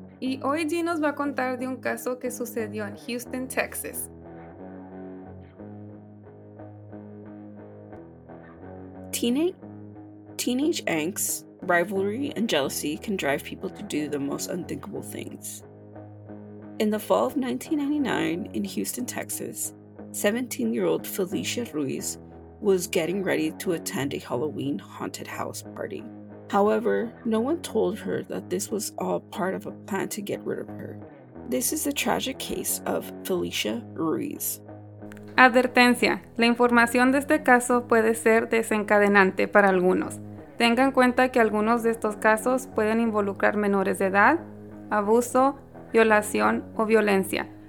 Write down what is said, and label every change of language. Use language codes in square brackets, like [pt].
[es] Y hoy Dee nos va a contar de un caso que sucedió en Houston, Texas. [en] Teenage angst, rivalry, and jealousy can drive people to do the most unthinkable things. In the fall of 1999, in Houston, Texas, 17-year-old Felicia Ruiz was getting ready to attend a Halloween haunted house party. However, no one told her that this was all part of a plan to get rid of her. This is the tragic case of Felicia Ruiz. [es] Advertencia: la información de este caso puede ser desencadenante para algunos. Tenga en cuenta que algunos de estos casos pueden involucrar menores de edad, abuso, violación o violencia.